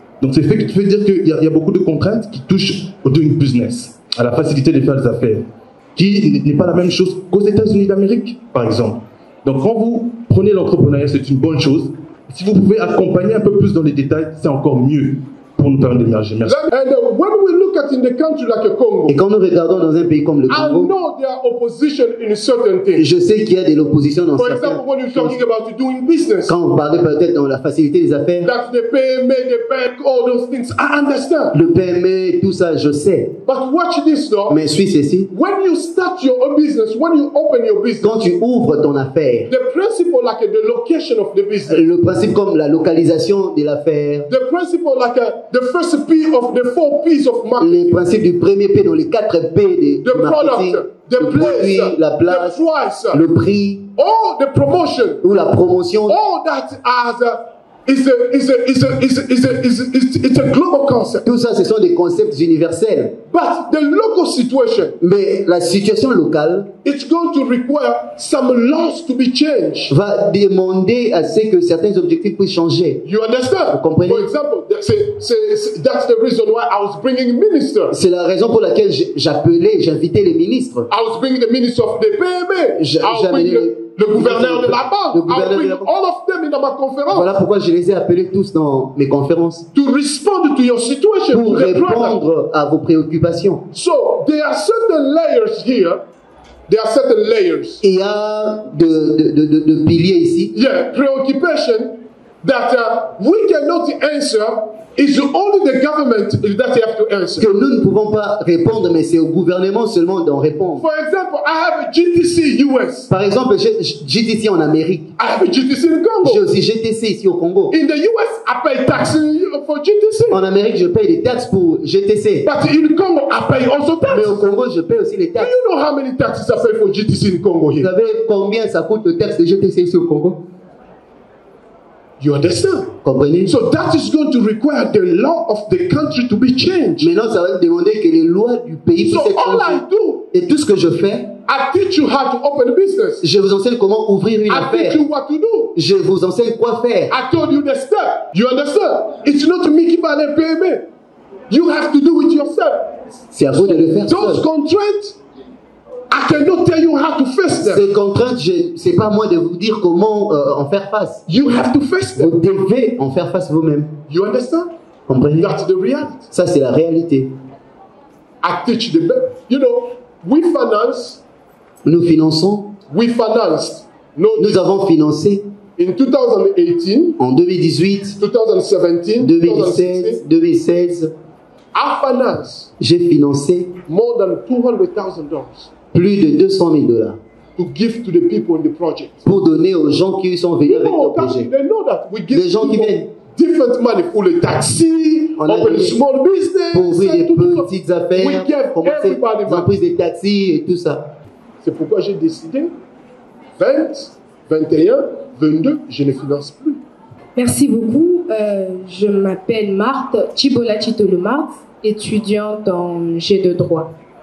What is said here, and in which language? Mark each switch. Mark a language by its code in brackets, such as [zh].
[fr] Donc c'est fait que tu veux dire qu'il y a beaucoup de contraintes qui touchent au doing business, à la facilité de faire des affaires, qui n'est pas la même chose qu'aux États-Unis d'Amérique, par exemple. Donc quand vous prenez l'entrepreneuriat, c'est une bonne chose. Si vous pouvez accompagner un peu plus dans les détails, c'est encore mieux. [en] And when we look at in the country like Congo, [fr] et quand nous regardons dans un pays comme le Congo, [en] I know there are opposition in certain things. [fr] Je sais qu'il y a de l'opposition dans [en] certains. For example, when you're talking about doing business, [fr] quand vous parlez peut-être dans la facilité des affaires, [en] that the PME, the bank, all those things, I understand. [fr] Le PME, tout ça, je sais. [en] But watch this, though. [fr] Mais suis ceci. [en] When you start your own business, when you open your business, [fr] quand tu ouvres ton affaire, [en] the principle like the location of the business, [fr] le principe comme la localisation de l'affaire, [en] the principle like the first P of the four P's of marketing. [fr] Les principes du premier P dans les quatre P de marketing. [en] The product, the place, [fr] la place, [en] the price, [fr] le prix, [en] all the promotion, [fr] ou la promotion. [en] All that is a global concept. [fr] Tout ça, ce sont des concepts universels. [en] But the local situation. [fr] Mais la situation locale. [en] It's going to require some laws to be changed. [fr] Va demander à ce que certains objectifs puissent changer. [en] You understand? [fr] Vous comprenez? [en] For example, that's the reason why I was bringing ministers. [fr] C'est la raison pour laquelle j'invitais les ministres. [en] I was bringing the minister of the PME. [fr] Le gouverneur de la banque. [en] I'll bring all of them in my conference. [fr] Voilà pourquoi je les ai appelés tous dans mes conférences. [en] To respond to your situation. [fr] Pour répondre à vos préoccupations. [en] So there are certain layers here. There are certain layers. [fr] Il y a de piliers ici. [en] Yeah, preoccupation that we cannot answer is only the government that have to answer. [fr] Que nous ne pouvons pas répondre, mais c'est au gouvernement seulement d'en répondre. [en] For example, I have a GTC US. [fr] Par exemple, j'ai GTC en Amérique. [en] I have a GTC in Congo. [fr] J'ai aussi GTC ici au Congo. [en] In the US, I pay taxes for GTC. [fr] En Amérique, je paye les taxes pour GTC. [en] But in Congo, I pay also taxes. [fr] Mais au Congo, je paye aussi les taxes. [en] Do you know how many taxes I pay for GTC in Congo here? [fr] Vous savez combien ça coûte le taxe de GTC ici au Congo? [en] You understand? [fr] Comprenez? [en] So that is going to require the law of the country to be changed. [fr] Maintenant, ça va demander que les lois du pays soient changées. Et tout ce que je fais, [en] I teach you how to open a business. [fr] Je vous enseigne comment ouvrir une affaire. [en] I teach you what to do. [fr] Je vous enseigne quoi faire. [en] I told you the step. You understand? It's not me [fr] qui va aller payer. [en] You have to do it yourself. [fr] C'est à vous de le faire. [en] Those [fr] seul. [en] Constraints, I cannot tell you how to face them. [fr] Ces contraintes, c'est pas moi de vous dire comment en faire face. [en] You have to face them. [fr] Vous devez en faire face vous-même. [en] You understand? [fr] Comprenez? [en] That's the reality. [fr] Ça, c'est la réalité. [en] I teach the best. You know, we finance. [fr] Nous finançons. [en] We financed. [fr] Nous avons financé. [en] In 2018. [fr] En 2018. [en] 2017. 2016. I finance. [fr] J'ai financé. [en] More than $200,000. [fr] Plus de $200,000. [en] To give to the people in the project. [fr] Pour donner aux gens qui sont venus avec le projet. [en] They know that we give. [fr] Les gens qui viennent. [en] Different money for the taxi, open small business, [fr] pour ouvrir des petites affaires, commencer des entreprises de taxi et tout ça. C'est pourquoi j'ai décidé, 20, 21, 22, je ne finance plus. Merci beaucoup. Je m'appelle Marthe Chibola Chitolomart, étudiante en G de droit.